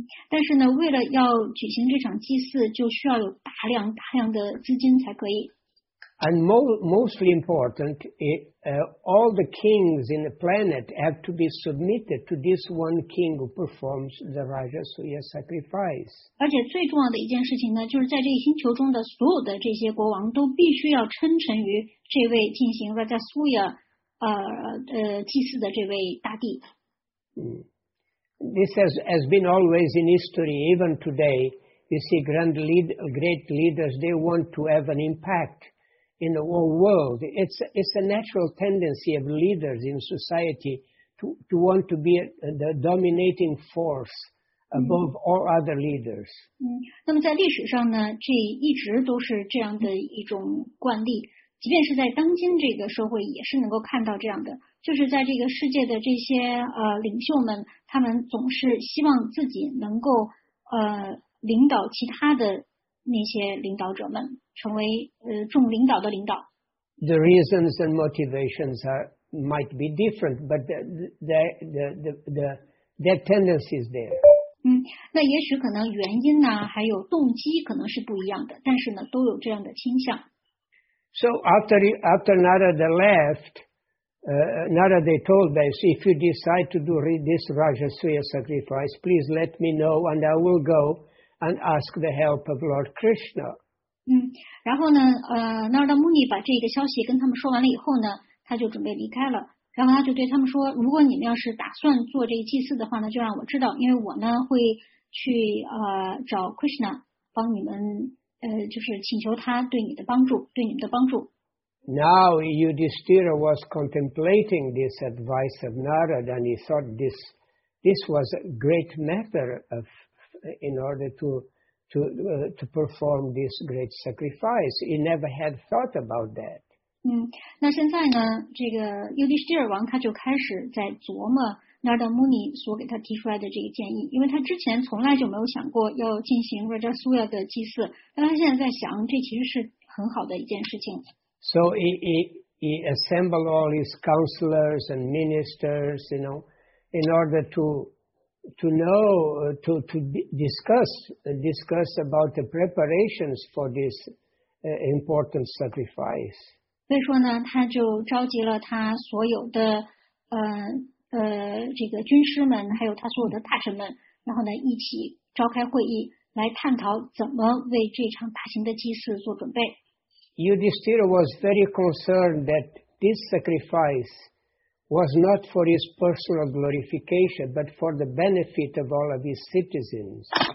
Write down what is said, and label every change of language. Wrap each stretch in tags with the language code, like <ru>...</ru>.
<zh>但是呢，为了要举行这场祭祀，就需要有大量大量的资金才可以。</zh> <en>And mostly important, all the kings in the planet have to be submitted to this one king who performs the Raja Surya sacrifice.</en> <zh>而且最重要的一件事情呢，就是在这个星球中的所有的这些国王都必须要称臣于这位进行 Raja Surya 祭祀的这位大帝。</zh> <en>This has been always in history, even today. You see, great leaders, they want to have an impact. In the whole world, it's a natural tendency of leaders in society to want to be the dominating force above all other leaders.</en> <zh>那么在历史上呢，这一直都是这样的一种惯例，即便是在当今这个社会也是能够看到这样的，就是在这个世界的这些领袖们，他们总是希望自己能够领导其他的那些领导者们。成为众领导的领导。</zh> <en>The reasons and motivations might be different, but their tendency is there.</en> <zh>那也许可能原因呢，还有动机可能是不一样的，但是呢，都有这样的倾向。</zh> <en>So after Narada left, Narada told this, if you decide to do this Raja Surya sacrifice, please let me know and I will go and ask the help of Lord Krishna.</en> <zh>然后呢，Narada Muni 把这个消息跟他们说完了以后呢，他就准备离开了。然后他就对他们说：“如果你们要是打算做这个祭祀的话呢，就让我知道，因为我呢会去找 Krishna 帮你们就是请求他对你的帮助，对你们的帮助。”</zh> <en>Now Yudhishthira was contemplating this advice of Narada, and he thought this was a great matter of in order to. To perform this great sacrifice, he never had thought about that.</en> <zh>那现在呢，这个 Yudhishthira 王他就开始在琢磨 Narada Muni 所给他提出来的这个建议，因为他之前从来就没有想过要进行 Raja Surya 的祭祀，但他现在在想，这其实是很好的一件事情。</zh> <en>So he assembled all his counselors and ministers, you know, in order to discuss about the preparations for this important sacrifice.</en> <zh>所以说呢，他就召集了他所有的这个军师们，还有他所有的大臣们，然后呢一起召开会议，来探讨怎么为这场大型的祭祀做准备。</zh> <en>Yudhishthira was very concerned that this sacrifice. Was not for his personal glorification, but for the benefit of all of his citizens.</en>